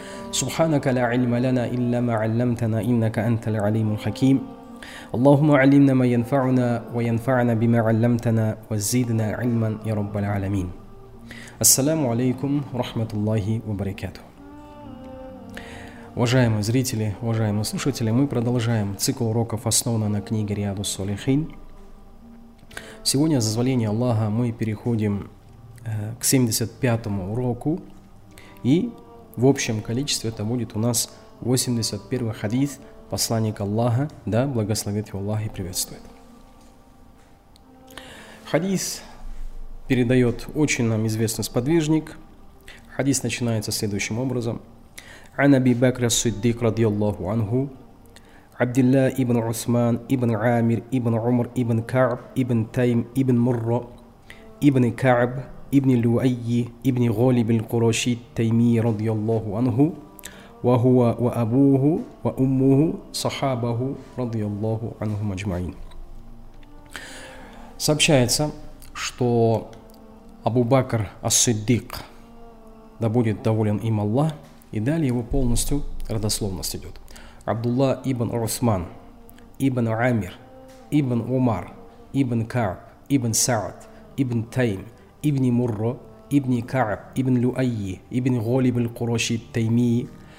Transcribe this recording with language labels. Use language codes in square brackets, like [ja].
[ar] سبحانك لا علم لنا إلا ما علمتنا إنك أنت العليم الحكيم اللهم علمنا ما ينفعنا وينفعنا بما علمتنا وزيدنا علما يا رب العالمين السلام عليكم ورحمة الله وبركاته [ru] Уважаемые зрители, уважаемые слушатели, мы продолжаем цикл уроков, основанный на книге Риаду Салихин. Сегодня, с дозволения Аллаха, мы переходим к 75-му уроку и в общем количестве это будет у нас 81-й хадис посланника Аллаха, да, благословит его Аллах и приветствует. Хадис передает очень нам известный сподвижник. Хадис начинается следующим образом. [ar] عن أبي بكر الصديق رضي الله عنه عبد الله ابن عثمان ابن عامر ابن عمر ابن كعب ابن تيم ابن مرة ابن كعب ابن لؤي ابن غالب القرشي التيمي رضي الله عنه وهو وأبوه وأمه صحابه رضي الله عنهم أجمعين. [ru] Сообщается, что Абу Бакр ас-Сиддик, да будет доволен им Аллах, и далее его полностью родословность идет. Абдулла ибн Усман, ибн Амир, ибн Умар, ибн Каб, ибн Саад, ибн Тайм, ибн Мурро, ибн Каб, ибн Луайи, ибн Голиб аль-Куроши Таймии.